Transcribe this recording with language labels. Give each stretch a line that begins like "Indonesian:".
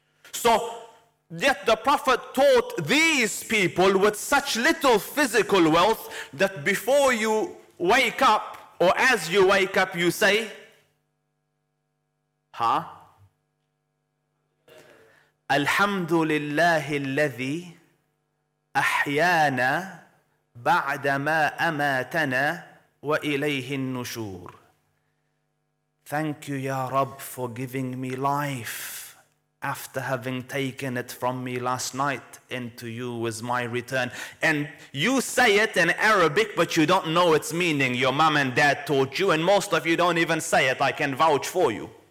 English: So, yet the Prophet taught these people with such little physical wealth that before you wake up, or as you wake up, you say, huh?
Arabic: الحمد لله الذي أحيانا بعدما أماتنا وإليه النشور.
English: Thank you, Ya Rabb, for giving me life after having taken it from me last night, and to you is my return. And you say it in Arabic, but you don't know its meaning. Your mom and dad taught you, and most of you don't even say it. I can vouch for you.